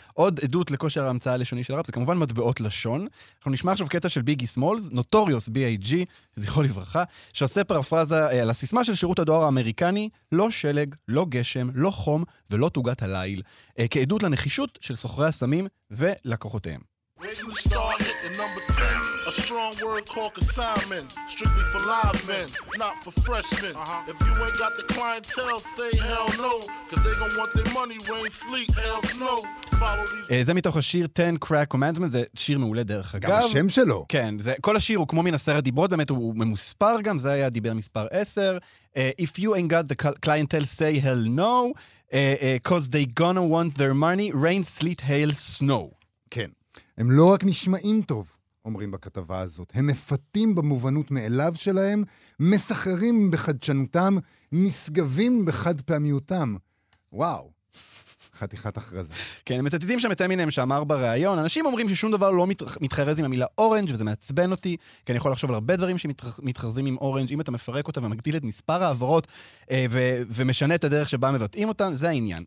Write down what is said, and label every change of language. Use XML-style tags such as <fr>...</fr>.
<he>עוד עדות לכושר ההמצאה הלשוני של הראפ, זה כמובן מטבעות לשון. אנחנו נשמע עכשיו קטע של ביגי סמולס, נוטוריוס בי-איי-ג'י, זכרו לברכה, שעושה פרפרזה על הסיסמה של שירות הדואר האמריקני, לא שלג, לא גשם, לא חום ולא תוגת הליל, כעדות לנחישות של סוחרי הסמים ולקוחותיהם.</he> <en>When you start hitting number 10, a strong word called consignment, strictly for live men, not for freshmen. Uh-huh. If you ain't got the clientele, say hell no, cause they gon' want their money, rain, sleep, hell snow.</en> <he>זה מתוך השיר 10 Crack Commandments, זה שיר מעולה דרך אגב. גם השם שלו. כן, זה, כל השיר הוא כמו מן עשרת דיברות, באמת הוא ממוספר גם, זה היה דיבר מספר 10.</he> <en>If you ain't got the clientele, say hell no, cause they gonna want their money, rain, sleet, hail, snow.</en> <he>כן. הם לא רק נשמעים טוב, אומרים בכתבה הזאת, הם מפתים במובנות מאליו שלהם, מסחרים בחדשנותם, נשגבים בחד פעמיותם. וואו, חתיכת הכרזה. כן, הם מצטטים שם את אמינם שאמר בריאיון, אנשים אומרים ששום דבר לא מתחרז עם המילה אורנג' וזה מעצבן אותי, כי אני יכול לחשוב על הרבה דברים שמתחרזים עם אורנג', אם אתה מפרק אותה ומגדיל את מספר העברות ומשנה את הדרך שבה מבטאים אותן, זה העניין.</he>